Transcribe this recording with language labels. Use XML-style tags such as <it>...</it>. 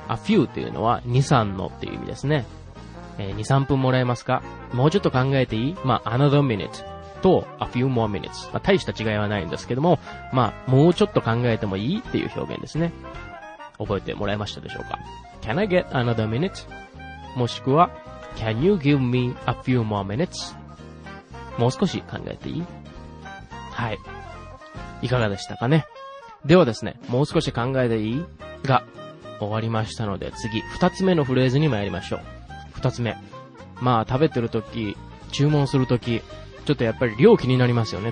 <ja>A few っていうのは、2、3のっていう意味ですね。2、3分もらえますか? もうちょっと考えていい? まあ、</ja> <en>another minute.</en> <ja>と</ja> <en>a few more minutes、</en> <ja>まあ、大した違いはないんですけども、まあ、もうちょっと考えてもいいっていう表現ですね。覚えてもらえましたでしょうか。</ja> <en>Can I get another minute?</en> <ja>もしくは</ja> <en>Can you give me a few more minutes?</en> <ja>もう少し考えていい? はい、いかがでしたかね。ではですね、もう少し考えていいが終わりましたので、次2つ目のフレーズに参りましょう。 2つ目、まあ食べてるとき、注文するとき、ちょっとやっぱり量気になりますよね。</ja>